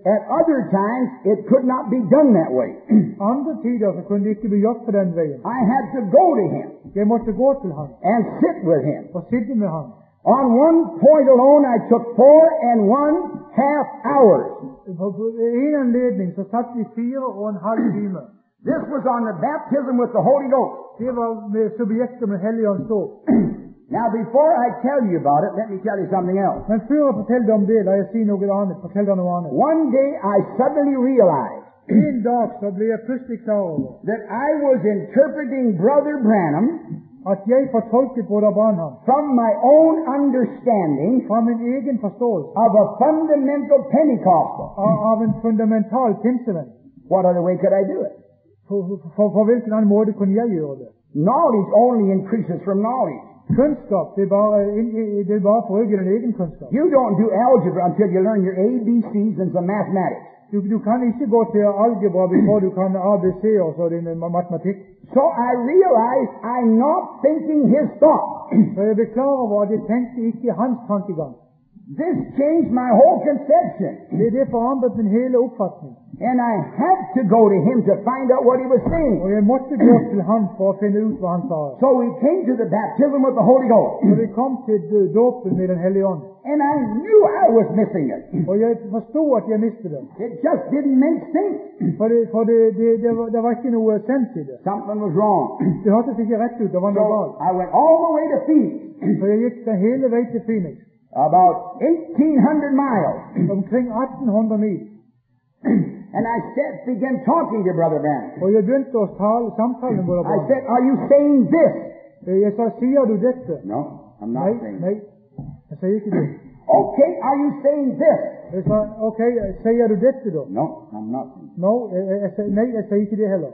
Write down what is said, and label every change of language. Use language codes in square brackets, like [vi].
[en] At other times, it could not be done that way. [da] Andre tider, så kunne det ikke blive gjort på den vejen. [en] I had to go to him. [da] Jeg måtte gå til ham. [en] And sit with him. [da] Og sidde med ham. [en] On one point alone, I took 4.5 hours. [da] På en anledning, så tog vi 4.5 time. [en] This was on the baptism with the Holy Ghost. [da] Det var med subjektet med Helligånds dåb. [en] Now before I tell you about it, let me tell you something else. [da] Men før jeg fortæller dig om det, lad os se noget andet. Fortæl dig noget andet. [en] One day I suddenly realized. [da] En dag så blev jeg pludselig klar over. [en] That I was interpreting Brother Branham. [da] At jeg fortolkede Brother Branham. [en] From my own understanding. [da] Fra min egen forståelse. [en] Of a fundamental Pentecostal. [da] Af en fundamental pinsevend. [en] What other way could I do it? [da] For hvilken anden måde kunne jeg gøre det? [en] Knowledge only increases from knowledge. [da] Kunskap, det er bare for øvrigt en egen kunskap. [en] You don't do algebra until you learn your ABCs and some mathematics. [da] Du kan ikke gå til algebra [en] before [da] du kan ABC og så din matematik. [en] So I realized I'm not thinking his thought. [da] Så jeg blev klar over, at jeg tænkte ikke hans tankegang. [en] This changed my whole conception. [da] Det forandrede min hele opfattning. [en] And I had to go to him to find out what he was saying. [da] Og jeg måtte gå til ham for at finde ud, hvad han sa. [en] So we came to the baptism with the Holy Ghost. [no] Så vi kom til dåpen med den hellige ånd. [en] And I knew I was missing it. [da] Og jeg forstod, at jeg miste det. [en] It just didn't make sense. [da] For det var ikke noget sens I det. [en] Something was wrong. [no] Det hørtes ikke rett ut, det var noe galt. [en] I went all the way to Phoenix. [no] Så jeg gikk den hele vei til Phoenix. [en] About 1800 miles. [no] Omkring 1800 mil. [en] And I said, began talking to Brother Van. [no] Og jeg begynte å tale samtale med Brother Van. [en] I said, are you saying this? [no] Jeg sa, sier du dette? [en] No, I'm not saying [no] this. Nei, jeg sier ikke det. [en] Okay, are you saying this? [no] Jeg sa, okay, sier du dette da? [en] No, I'm not. [no] No, nei, jeg sier ikke det heller.